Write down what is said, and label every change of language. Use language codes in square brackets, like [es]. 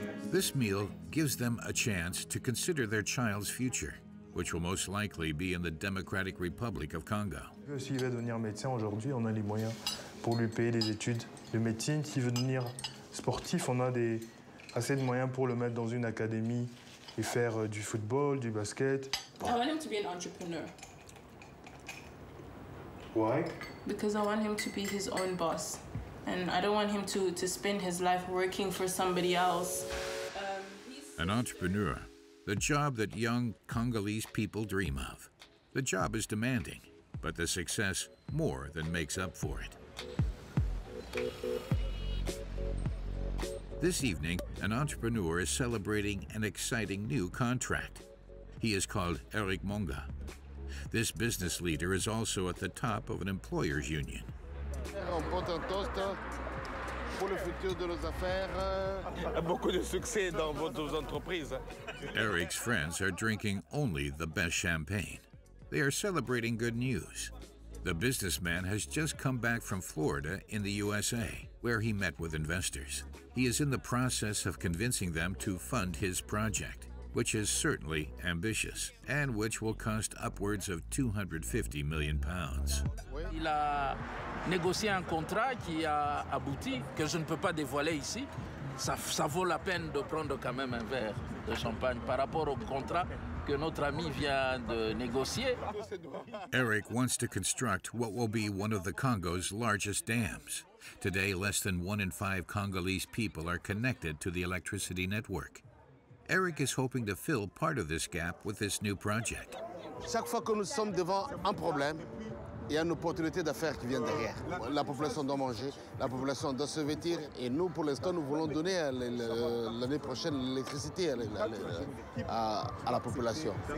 [en] This meal gives them a chance to consider their child's future, which will most likely be in the Democratic Republic of Congo. [fr] S'il veut devenir médecin aujourd'hui, on a les moyens pour lui payer les études de médecine. S'il veut devenir sportif, on a assez de moyens pour le mettre dans une académie et faire du football, du basket. [en] I want him to be an entrepreneur. Why? Because I want him to be his own boss. And I don't want him to spend his life working for somebody else. An entrepreneur, the job that young Congolese people dream of. The job is demanding, but the success more than makes up for it. This evening, an entrepreneur is celebrating an exciting new contract. He is called Eric Monga. This business leader is also at the top of an employer's union. [fr] On porte un toast pour le futur de nos affaires. Beaucoup de succès dans votre entreprise. [en] Eric's friends are drinking only the best champagne. They are celebrating good news. The businessman has just come back from Florida in the USA, where he met with investors. He is in the process of convincing them to fund his project, which is certainly ambitious and which will cost upwards of 250 million pounds. [fr] Il a négocié un contrat qui a abouti, que je ne peux pas dévoiler ici. Ça vaut la peine de prendre quand même un verre de champagne par rapport au contrat que notre ami vient de négocier. [en] Eric wants to construct what will be one of the Congo's largest dams. Today, less than 1 in 5 Congolese people are connected to the electricity network. Eric is hoping to fill part of this gap with this new project. [fr] Chaque fois que nous sommes devant un problème, il y a une opportunité d'affaires qui vient derrière. La population doit manger, la population doit se vêtir, et nous, pour l'instant, nous voulons donner l'année prochaine l'électricité à la population.